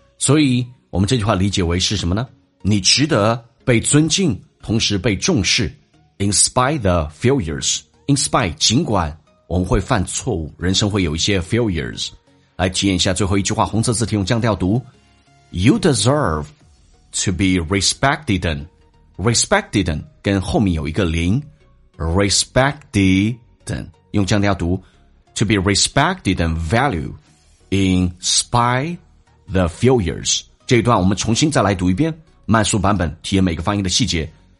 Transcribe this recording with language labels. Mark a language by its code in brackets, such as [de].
[zh] 所以我们这句话理解为是什么呢？你值得被尊敬，同时被重视。 [en] In spite of the failures. In spite, [zh] 尽管我们会犯错误，人生会有一些 failures. 来体验一下最后一句话，红色字体用降调读。 [en] You deserve to be respected and respected [zh] 跟后面有一个零 [en] respected [zh] 用降调读 [en] to be respected and valued in spite the failures. [zh] 这一段我们重新再来读一遍，慢速版本，体验每个发音的细节。